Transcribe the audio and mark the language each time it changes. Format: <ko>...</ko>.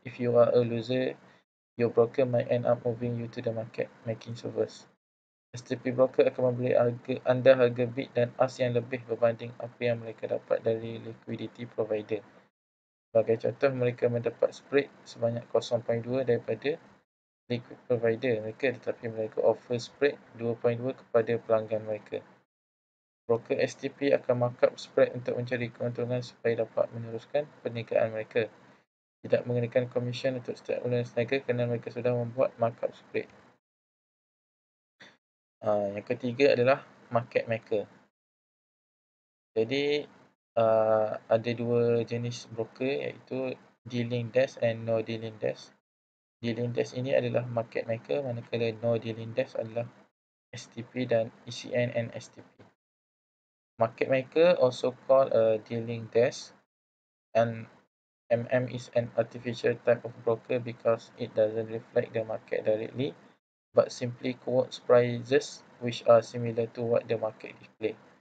<en>If you are a loser, your broker might end up moving you to the market making servers.</en> <ms>STP broker akan memberi anda harga bid dan ask yang lebih berbanding apa yang mereka dapat dari liquidity provider. Sebagai contoh, mereka mendapat spread sebanyak 0.2 daripada liquid provider mereka, tetapi mereka offer spread 2.2 kepada pelanggan mereka. Broker STP akan markup spread untuk mencari keuntungan supaya dapat meneruskan perniagaan mereka. Tidak mengenakan komisen untuk setiap ulas niaga kerana mereka sudah membuat markup spread. Yang ketiga adalah market maker. Jadi ada dua jenis broker, iaitu dealing desk and no dealing desk. Dealing desk ini adalah market maker, manakala no dealing desk adalah STP dan ECN and STP.</ms> <en>Market maker also called a dealing desk, and MM is an artificial type of broker because it doesn't reflect the market directly, but simply quotes prices which are similar to what the market display.</en>